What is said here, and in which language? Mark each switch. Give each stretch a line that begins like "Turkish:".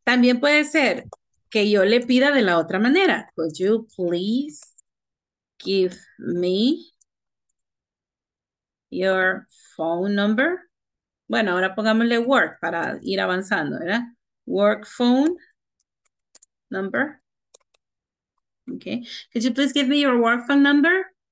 Spanish: También puede ser que yo le pida de la otra manera.
English: Could you please give me your phone number?
Spanish: Bueno, ahora pongámosle work para ir avanzando, ¿verdad?
English: Work phone number. Okay. Could you please give me your work phone number?